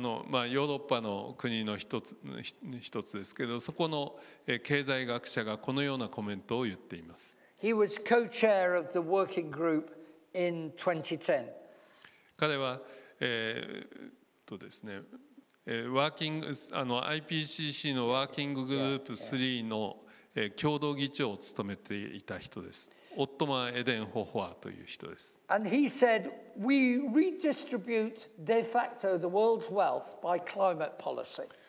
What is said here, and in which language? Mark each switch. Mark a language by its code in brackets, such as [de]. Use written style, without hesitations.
[ja] まあ、ヨーロッパの国の一つですけど、そこの経済学者がこのようなコメントを言っています。 [en] He was co-chair of the working group in 2010. [ja] 彼は、ですね、ワーキング、IPCC のワーキンググループ3の共同議長を務めていた人です。オットマー・エデン・ホホアという人です。 [en] And he said, we redistribute de facto the world's wealth by climate policy.